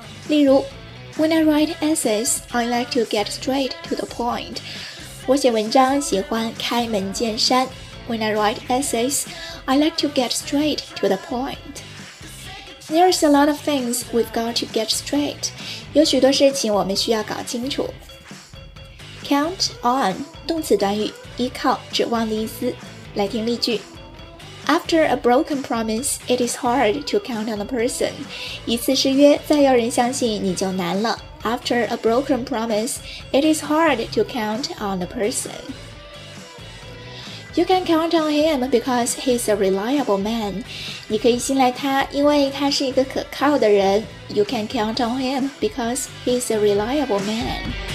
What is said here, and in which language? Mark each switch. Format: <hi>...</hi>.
<zh>例如</zh> <en>When I write essays, I like to get straight to the point.</en> <zh>我写文章喜欢开门见山。</zh> <en>When I write essays, I like to get straight to the point. There's a lot of things we've got to get straight.</en> <zh>有许多事情我们需要搞清楚。 Count on, 动词短语，依靠、指望的意思。来听例句。</zh> <en>After a broken promise, it is hard to count on a person.</en> <zh>一次失约，再要人相信你就难了。</zh> <en>After a broken promise, it is hard to count on a person. You can count on him because he's a reliable man.</en> <zh>你可以信赖他，因为他是一个可靠的人。</zh> <en>You can count on him because he's a reliable man.</en>